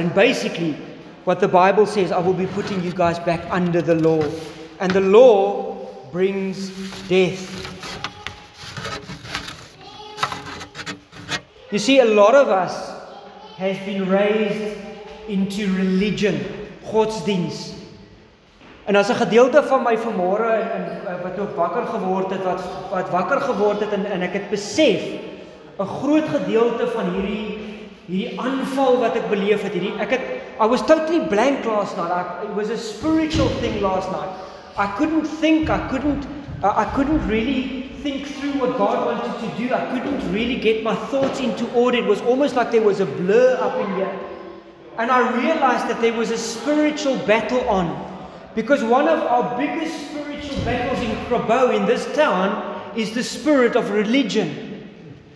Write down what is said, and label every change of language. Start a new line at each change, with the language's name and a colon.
English: And basically, what the Bible says, I will be putting you guys back under the law. And the law brings death. You see, a lot of us has been raised into religion, Godsdiens.
Afrikaans: En as 'n gedeelte van my vanmôre wat wakker geword het en ek het besef 'n groot gedeelte van hierdie aanval wat ek beleef het,
English: I was totally blank last night. It was a spiritual thing last night. I couldn't really think through what God wanted to do. I couldn't really get my thoughts into order. It was almost like there was a blur up in here. And I realized that there was a spiritual battle on. Because one of our biggest spiritual battles in Grabouw, in this town, is the spirit of religion.